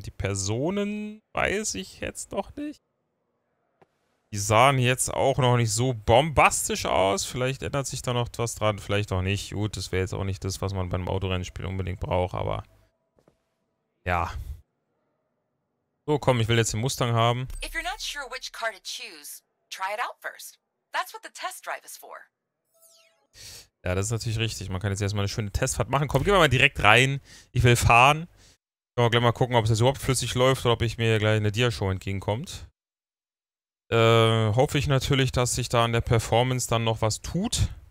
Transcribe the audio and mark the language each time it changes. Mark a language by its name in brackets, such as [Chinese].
[German] Die Personen weiß ich jetzt noch nicht. Die sahen jetzt auch noch nicht so bombastisch aus. Vielleicht ändert sich da noch was dran, vielleicht auch nicht. Gut, das wäre jetzt auch nicht das, was man beim Autorennspiel unbedingt braucht, aber... Ja. So, komm, ich will jetzt den Mustang haben. [English] If you're not sure which car to choose, try it out first. That's what the test drive is for. [German] Ja, das ist natürlich richtig. Man kann jetzt erstmal eine schöne Testfahrt machen. Komm, gehen wir mal direkt rein. Ich will fahren. Können wir gleich mal gucken, ob es jetzt überhaupt flüssig läuft oder ob ich mir gleich eine Diashow entgegenkommt. Hoffe ich natürlich, dass sich da an der Performance dann noch was tut.